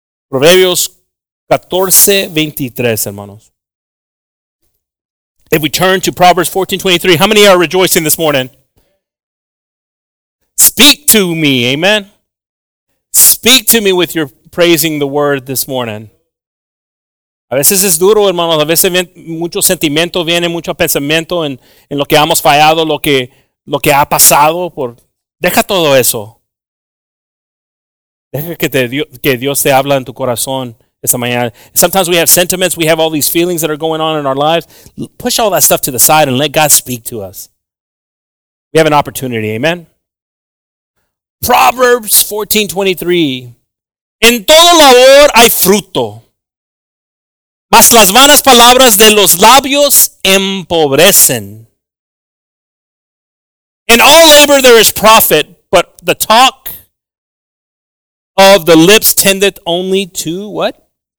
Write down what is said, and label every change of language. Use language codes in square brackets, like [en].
[es] Proverbios 14:23, hermanos. [en] If we turn to Proverbs 14:23, how many are rejoicing this morning? Speak to me, amen? Speak to me with your praising the word this morning. [es] A veces es duro, hermanos. A veces mucho sentimiento viene, mucho pensamiento en lo que hemos fallado, lo que ha pasado. Deja todo eso. Deja que Dios te habla en tu corazón esa mañana. [en] Sometimes we have sentiments, we have all these feelings that are going on in our lives. Push all that stuff to the side and let God speak to us. We have an opportunity, amen? Proverbs 14:23. [es] En todo labor hay fruto. Mas las malas palabras de los labios empobrecen. [en] In all labor there is profit, but the talk of the lips tendeth only to what?